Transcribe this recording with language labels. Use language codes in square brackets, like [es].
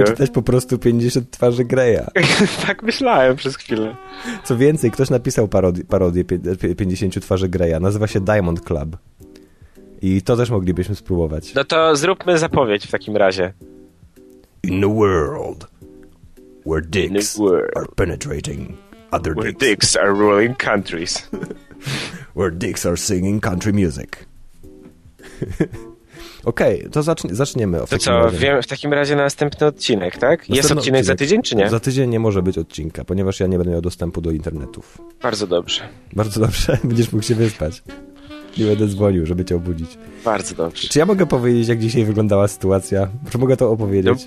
[pl] takiego. Czytać po prostu 50 twarzy Greya. Tak myślałem przez chwilę. Co więcej, ktoś napisał parodię 50 twarzy Greya. Nazywa się Diamond Club. I to też moglibyśmy spróbować. No to zróbmy zapowiedź w takim razie. [en] In the world... Where dicks are penetrating other dicks. Where dicks are ruling countries. Where dicks are singing country music. [pl] Okej, okay, to zaczniemy. To co, wiem w takim razie na następny odcinek, tak? Następny jest odcinek za tydzień, czy nie? Za tydzień nie może być odcinka, ponieważ ja nie będę miał dostępu do internetów. Bardzo dobrze. Bardzo dobrze, będziesz mógł się wyspać. Nie będę dzwonił, żeby cię obudzić. Bardzo dobrze. Czy ja mogę powiedzieć, jak dzisiaj wyglądała sytuacja? Czy mogę to opowiedzieć?